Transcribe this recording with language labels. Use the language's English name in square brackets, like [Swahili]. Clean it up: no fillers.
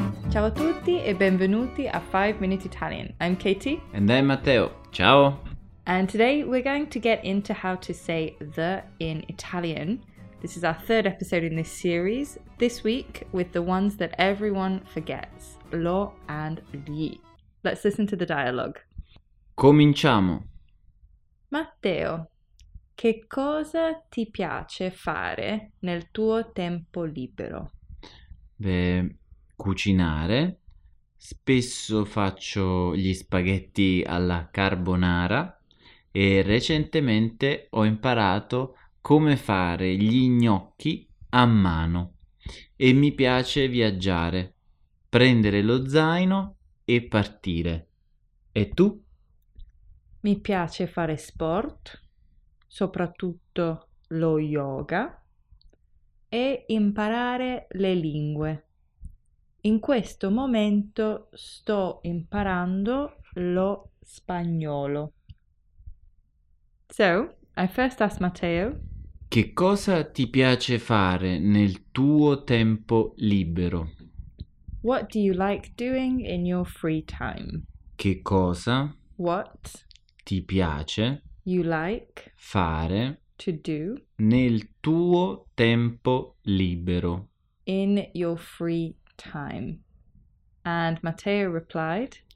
[Italian] Ciao a tutti e benvenuti a 5-Minute Italian. [English] I'm Katie. And I'm Matteo. Ciao! And today we're going to get into how to say the in Italian. This is our third episode in this series, this week with the ones that everyone forgets, lo and gli. Let's listen to the dialogue. [Italian] Cominciamo. Matteo, che cosa ti piace fare nel tuo tempo libero? Beh, cucinare. Spesso faccio gli spaghetti alla carbonara. E recentemente ho imparato come fare gli gnocchi a mano. E mi piace viaggiare, prendere lo zaino e partire. E tu? Mi piace fare sport, soprattutto lo yoga, e imparare le lingue. In questo momento sto imparando lo spagnolo. [English] So, I first asked Matteo, [Italian] che cosa ti piace fare nel tuo tempo libero? [English] What do you like doing in your free time? [Italian] Che cosa? [English] What? [Italian] Ti piace? [English] You like? [Italian] Fare? [English] To do? [Italian] Nel tuo tempo libero. [English] In your free time. And Matteo replied,